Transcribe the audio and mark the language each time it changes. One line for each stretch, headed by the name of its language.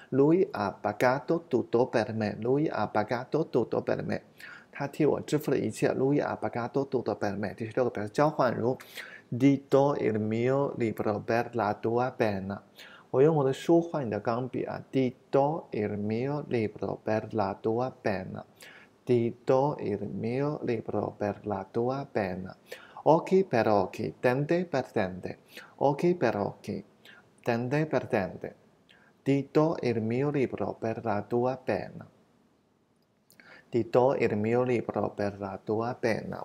Italian: Lui ha pagato tutto per me. Lui ha pagato tutto per me.
Chinese: 他替我支付了一切。
Italian: Lui ha pagato tutto per me.
Chinese: 第十六个表示交换，如
Italian: Di do il mio libro per la tua penna。
Chinese: 我用我的书换你的钢笔啊。
Italian: Di do il mio libro per la tua penna。 Ti do il mio libro per la tua penna. Occhi per occhi, dente per dente. Occhi per occhi, dente per dente. Ti do il mio libro per la tua penna. Ti do il mio libro per la tua penna.